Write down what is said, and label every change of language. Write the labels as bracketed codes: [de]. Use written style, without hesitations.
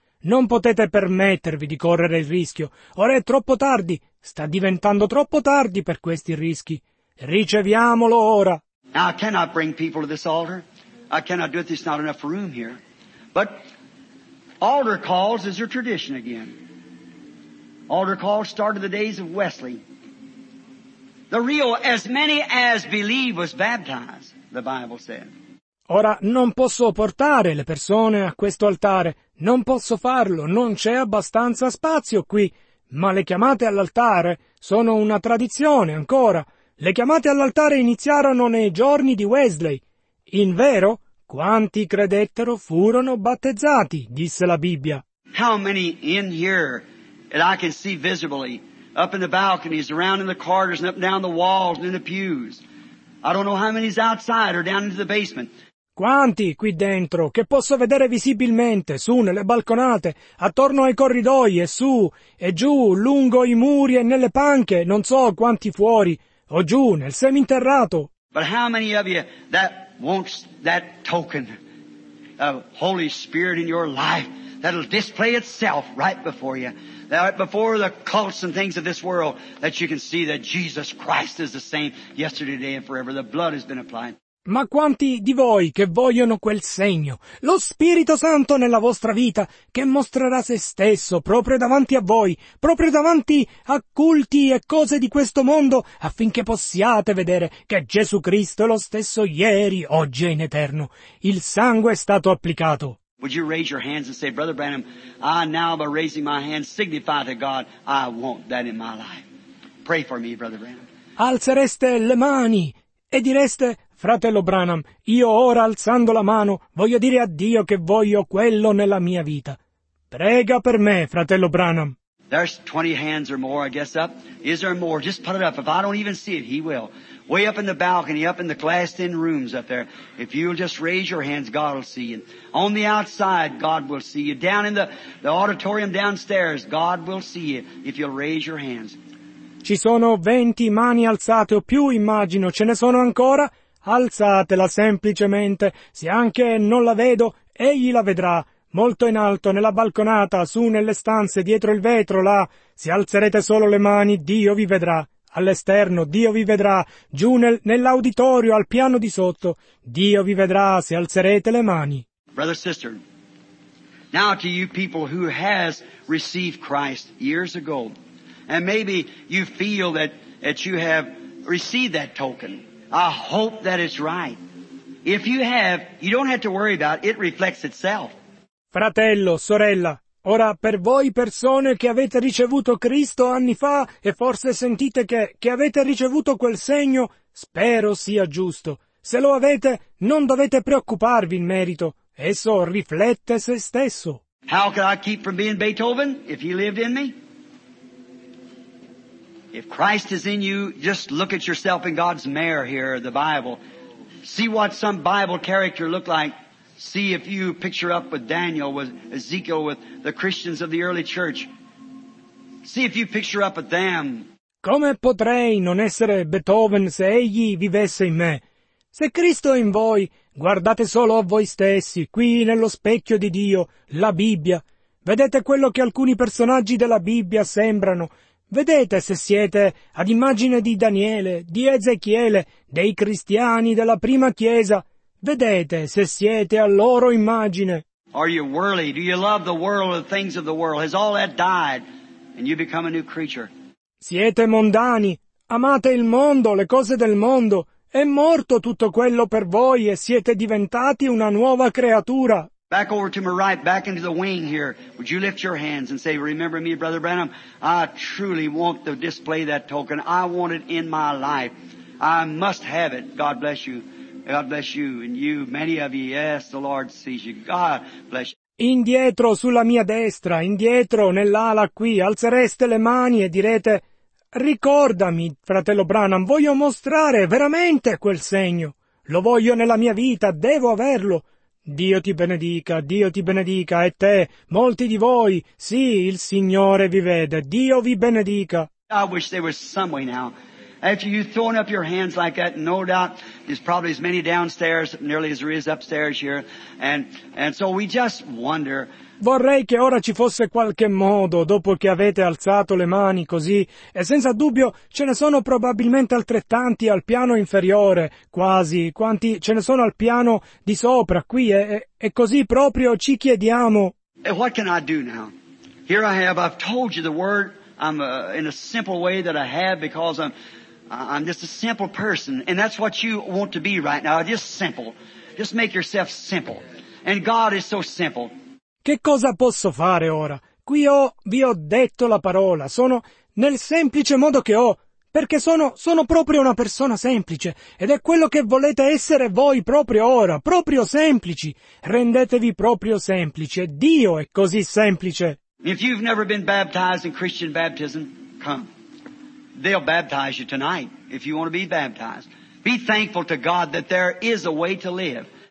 [it] Non potete permettervi di correre il rischio, ora è troppo tardi, sta diventando troppo tardi per questi rischi. Riceviamolo ora. [en] Now, I cannot bring people to this altar. I cannot do it. There's not enough room here. But altar calls is your tradition again. Altar calls started the days of Wesley. The real, as many as believe was baptized, the Bible said. [it] Ora, non posso portare le persone a questo altare. Non posso farlo. Non c'è abbastanza spazio qui. Ma le chiamate all'altare sono una tradizione ancora. Le chiamate all'altare iniziarono nei giorni di Wesley. In vero, quanti credettero furono battezzati, disse la Bibbia. [en] How many in here that I can see visibly, up in the balconies, around in the corridors, and up down the walls, and in the pews? I don't know how many is outside or down into the basement. [it] Quanti qui dentro che posso vedere visibilmente, su nelle balconate, attorno ai corridoi e su e giù, lungo i muri e nelle panche, non so quanti fuori. O giù, nel seminterrato. [en] But how many of you that wants that token of Holy Spirit in your life, that'll display itself right before you, right before the cults and things of this world, that you can see that Jesus Christ is the same yesterday, today and forever. The blood has been applied. [it] Ma quanti di voi che vogliono quel segno, lo Spirito Santo nella vostra vita, che mostrerà se stesso proprio davanti a voi, proprio davanti a culti e cose di questo mondo, affinché possiate vedere che Gesù Cristo è lo stesso ieri, oggi e in eterno. Il sangue è stato applicato. [en] Would you raise your hands and say, Brother Branham, I now by raising my hands signify to God I want that in my life. Pray for me, Brother Branham. [it] Alzereste le mani e direste, Fratello Branham, io ora alzando la mano voglio dire a Dio che voglio quello nella mia vita. Prega per me, fratello Branham. [en] There's 20 hands or more, I guess, up. Is there more? Just put it up. If I don't even see it, he will. Way up in the balcony, up in the glassed-in rooms up there. If you'll just raise your hands, God will see you. On the outside, God will see you. Down in the auditorium downstairs, God will see you if you'll raise your hands. [it] Ci sono 20 mani alzate o più, immagino. Ce ne sono ancora? Alzatela semplicemente, se anche non la vedo, egli la vedrà, molto in alto, nella balconata, su nelle stanze, dietro il vetro, là, se alzerete solo le mani, Dio vi vedrà, all'esterno, Dio vi vedrà, giù nell'auditorio, al piano di sotto, Dio vi vedrà, se alzerete le mani. [en] Brother, sister, now to you people who has received Christ years ago, and maybe you feel that you have received that token. I hope that it's right. If you have, you don't have to worry about it. It reflects itself. [it] Fratello, sorella, ora per voi persone che avete ricevuto Cristo anni fa e forse sentite che avete ricevuto quel segno, spero sia giusto. Se lo avete, non dovete preoccuparvi in merito. Esso riflette se stesso. [en] How could I keep from being Beethoven if he lived in me? If Christ is in you, just look at yourself in God's mirror here, the Bible. See what some Bible character looked like. See if you picture up with Daniel, with Ezekiel, with the Christians of the early church. See if you picture up with them. [it] Come potrei non essere Beethoven se egli vivesse in me? Se Cristo è in voi, guardate solo a voi stessi, qui nello specchio di Dio, la Bibbia. Vedete quello che alcuni personaggi della Bibbia sembrano. Vedete se siete ad immagine di Daniele, di Ezechiele, dei cristiani della prima chiesa. Vedete se siete a loro immagine. [en] Are you worldly? Do you love the world or the things of the world? Has all that died and you become a new creature? [it] Siete mondani? Amate il mondo, le cose del mondo? È morto tutto quello per voi e siete diventati una nuova creatura? [en] Back over to my right, back into the wing here. Would you lift your hands and say, remember me, Brother Branham? I truly want to display that token. I want it in my life. I must have it. God bless you. God bless you and you, many of you. Yes, the Lord sees you. God bless you. [it] Indietro sulla mia destra, indietro nell'ala qui, alzereste le mani e direte, ricordami, fratello Branham, voglio mostrare veramente quel segno. Lo voglio nella mia vita, devo averlo. Dio ti benedica, Dio ti benedica, e te, molti di voi, sì, il Signore vi vede, Dio vi benedica. [en] I wish there was some way now. After you throwing up your hands like that, no doubt, there's probably as many downstairs, nearly as there is upstairs here, and so we just wonder. [it] Vorrei che ora ci fosse qualche modo, dopo che avete alzato le mani così, e senza dubbio ce ne sono probabilmente altrettanti al piano inferiore, quasi, quanti ce ne sono al piano di sopra, qui, e così proprio ci chiediamo. [en] And what can I do now? Here I have, I've told you the word, I'm in a simple way that I have because I'm just a simple person, and that's what you want to be right now, just simple. Just make yourself simple. And God is so simple. [it] Che cosa posso fare ora? Qui vi ho detto la parola. Sono nel semplice modo che ho, perché sono proprio una persona semplice. Ed è quello che volete essere voi proprio ora, proprio semplici. Rendetevi proprio semplici. Dio è così semplice. [en] If you've never been baptized in Christian baptism, come. They'll baptize you tonight if you want to be baptized. Be thankful to God that there is a way to live.